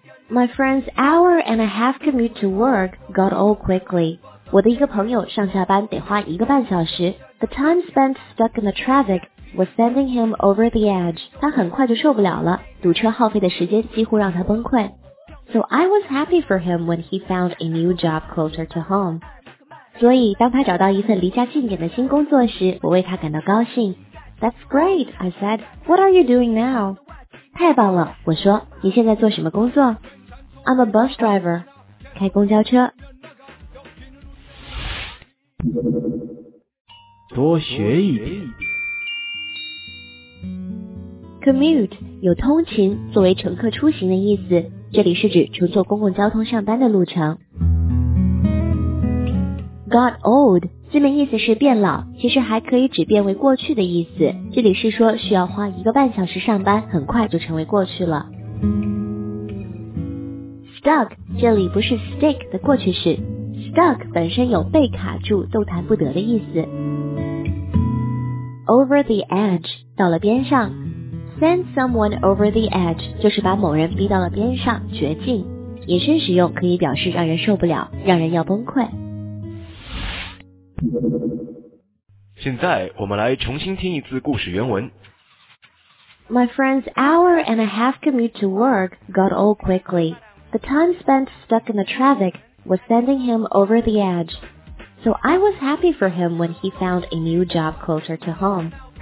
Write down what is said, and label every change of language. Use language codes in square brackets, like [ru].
[en] My friend's hour and a half commute to work got old quickly. [zh] 我的一个朋友上下班得花一个半小时。 [en] The time spent stuck in the traffic was sending him over the edge. [zh] 他很快就受不了了，堵车耗费的时间几乎让他崩溃。 [en] So I was happy for him when he found a new job closer to home. [zh] 所以当他找到一份离家近点的新工作时，我为他感到高兴。 [en] That's great, I said. What are you doing now? [zh] 太棒了，我说，你现在做什么工作？ [en] I'm a bus driver. [zh] 开公交车。多学一点。 Commute, 有通勤作为乘客出行的意思，这里是指乘坐公共交通上班的路程。 [en] Got old, [zh] 字面意思是变老，其实还可以指变为过去的意思。这里是说需要花一个半小时上班，很快就成为过去了。 Stuck, 这里不是 stick 的过去式。Stuck 本身有被卡住、动弹不得的意思。 [en] Over the edge, [zh] 到了边上。 [en] Send someone over the edge, [zh] 就是把某人逼到了边上、绝境。引申使用可以表示让人受不了、让人要崩溃。现在我们来重新听一次故事原文。 [en] My friend's hour and a half commute to work got old quickly. The time spent stuck in the traffic was sending him over the edge. So I was happy for him when he found a new job closer to home.